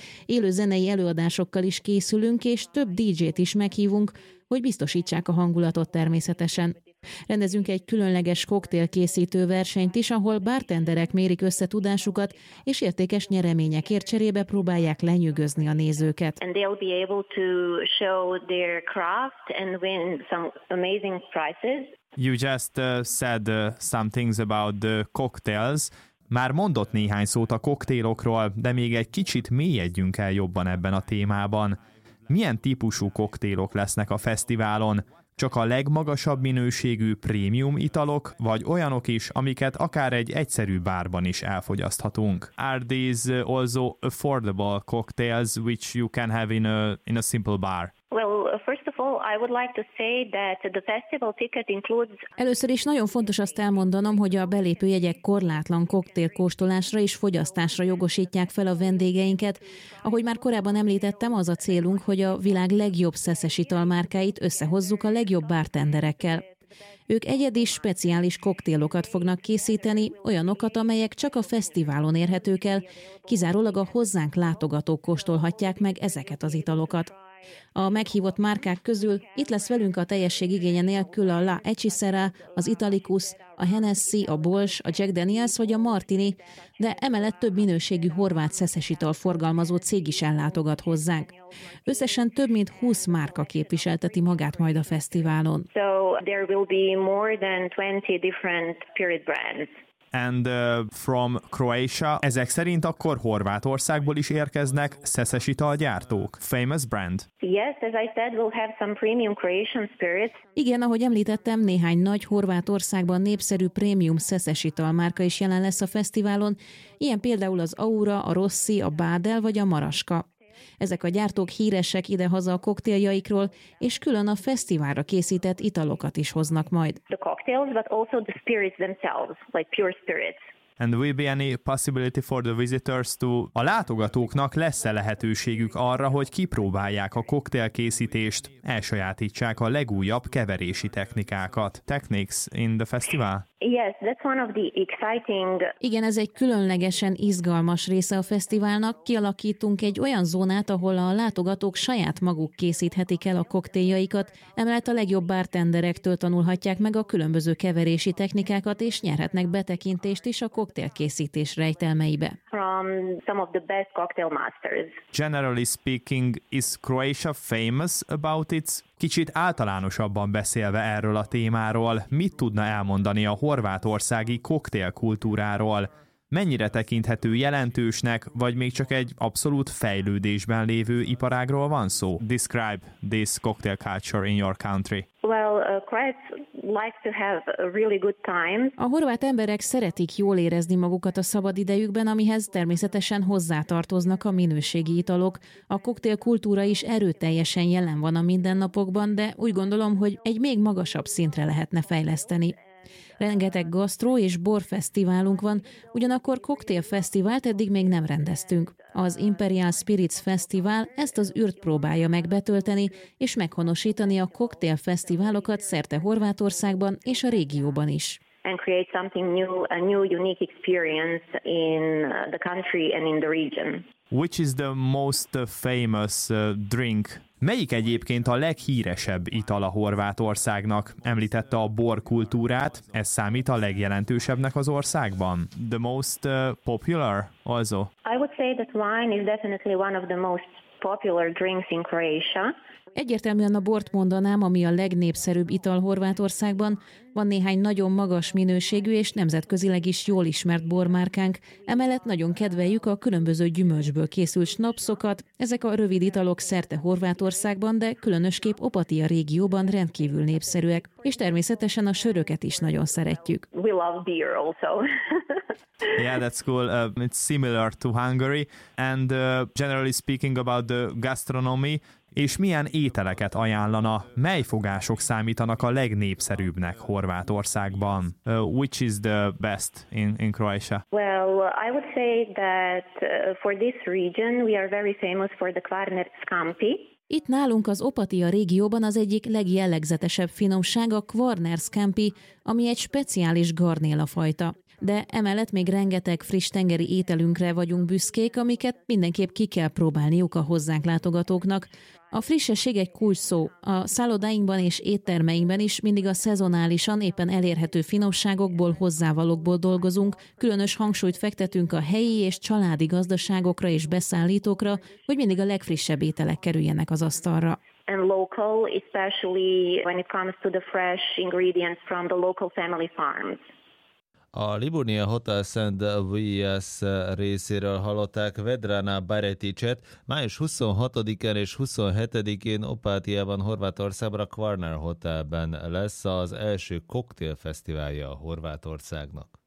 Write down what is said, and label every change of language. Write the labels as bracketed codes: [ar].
[hu] Élő zenei előadásokkal is készülünk, és több DJ-t is meghívunk, hogy biztosítsák a hangulatot természetesen. Rendezünk egy különleges koktélkészítő versenyt is, ahol bartenderek mérik össze tudásukat, és értékes nyereményekért cserébe próbálják lenyűgözni a nézőket. [en] And they'll be able to show their craft and win some amazing prizes. You just said some things about the cocktails. [hu] Már mondott néhány szót a koktélokról, de még egy kicsit mélyedjünk el jobban ebben a témában. Milyen típusú koktélok lesznek a fesztiválon? Csak a legmagasabb minőségű prémium italok, vagy olyanok is, amiket akár egy egyszerű bárban is elfogyaszthatunk. [en] Are these also affordable cocktails which you can have in a simple bar? Well, first of all, I would like to say that the festival ticket includes. [hu] Először is nagyon fontos azt elmondanom, hogy a belépő jegyek korlátlan koktélkóstolásra és fogyasztásra jogosítják fel a vendégeinket. Ahogy már korábban említettem, az a célunk, hogy a világ legjobb szeszes italmárkáit összehozzuk a legjobb bartenderekkel. Ők egyedi, speciális koktélokat fognak készíteni, olyanokat, amelyek csak a fesztiválon érhetők el. Kizárólag a hozzánk látogatók kóstolhatják meg ezeket az italokat. A meghívott márkák közül itt lesz velünk a teljesség igénye nélkül a La Hechicera, az Italicus, a Hennessy, a Bols, a Jack Daniels vagy a Martini, de emellett több minőségű horvát szeszes ital forgalmazó cég is ellátogat hozzánk. Összesen több mint 20 márka képviselteti magát majd a fesztiválon. [en] So there will be more than 20 different spirit brands. And from Croatia, [hu] ezek szerint akkor Horvátországból is érkeznek szeszes italgyártók, [en] famous brand. Yes, as I said, we'll have some premium Croatian spirits. [hu] Igen, ahogy említettem, néhány nagy Horvátországban népszerű prémium szeszes italmárka is jelen lesz a fesztiválon, ilyen például az Aura, a Rossi, a Bádel vagy a Maraska. Ezek a gyártók híresek idehaza a koktéljaikról, és külön a fesztiválra készített italokat is hoznak majd. [en] The cocktails, but also the spirits themselves, like pure spirits. And will be any possibility for the visitors to... [hu] A látogatóknak lesz-e lehetőségük arra, hogy kipróbálják a koktélkészítést, elsajátítsák a legújabb keverési technikákat. [en] Techniques in the festival? Yes, that's one of the exciting... [hu] Igen, ez egy különlegesen izgalmas része a fesztiválnak. Kialakítunk egy olyan zónát, ahol a látogatók saját maguk készíthetik el a koktéljaikat, emellett a legjobb bartenderektől tanulhatják meg a különböző keverési technikákat, és nyerhetnek betekintést is a koktélkészítés rejtelmeibe. [en] From some of the best cocktail masters. Generally speaking, is Croatia famous about its... [hu] Kicsit általánosabban beszélve erről a témáról, mit tudna elmondani a horvátországi koktélkultúráról? Mennyire tekinthető jelentősnek, vagy még csak egy abszolút fejlődésben lévő iparágról van szó? [en] Describe this cocktail culture in your country. Well, Croats like to have a really good time. [hu] A horvát emberek szeretik jól érezni magukat a szabad idejükben, amihez természetesen hozzátartoznak a minőségi italok. A koktélkultúra is erőteljesen jelen van a mindennapokban, de úgy gondolom, hogy egy még magasabb szintre lehetne fejleszteni. Rengeteg gasztró és borfesztiválunk van, ugyanakkor koktélfesztivált eddig még nem rendeztünk. Az Imperial Spirits Festival ezt az űrt próbálja megbetölteni és meghonosítani a koktélfesztiválokat szerte Horvátországban és a régióban is. [en] And create something new, a new unique experience in the country and in the region. Which is the most famous drink? [hu] Melyik egyébként a leghíresebb ital a Horvátországnak? Említette a borkultúrát, ez számít a legjelentősebbnek az országban. [en] The most popular also. I would say that wine is definitely one of the most popular drinks in Croatia. [hu] Egyértelműen a bort mondanám, ami a legnépszerűbb ital Horvátországban. Van néhány nagyon magas minőségű és nemzetközileg is jól ismert bormárkánk. Emellett nagyon kedveljük a különböző gyümölcsből készült snapsokat. Ezek a rövid italok szerte Horvátországban, de különösképp Opatija régióban rendkívül népszerűek. És természetesen a söröket is nagyon szeretjük. [en] We love beer also. Yeah, that's cool. It's similar to Hungary. And generally speaking about the gastronomy, [hu] és milyen ételeket ajánlana, mely fogások számítanak a legnépszerűbbnek Horvátországban? [en] Which is the best in Croatia? Well, I would say that for this region we are very famous for the Kvarner Skampi. [hu] Itt nálunk az Opatija régióban az egyik legjellegzetesebb finomság a Kvarner Skampi, ami egy speciális garnéla fajta. De emellett még rengeteg friss tengeri ételünkre vagyunk büszkék, amiket mindenképp ki kell próbálniuk a hozzánk látogatóknak. A frissesség egy kulcsszó. A szállodáinkban és éttermeinkben is mindig a szezonálisan éppen elérhető finomságokból, hozzávalókból dolgozunk. Különös hangsúlyt fektetünk a helyi és családi gazdaságokra és beszállítókra, hogy mindig a legfrissebb ételek kerüljenek az asztalra. [en] And local, especially when it comes to the fresh ingredients from the local family farms. [hu] A Liburnia Hotel Szent V.S. részéről hallották Vedrana Bereticset. Május 26-án és 27-én Opatijában, Horvátországban a Kvarner Hotelben lesz az első koktélfesztiválja a Horvátországnak.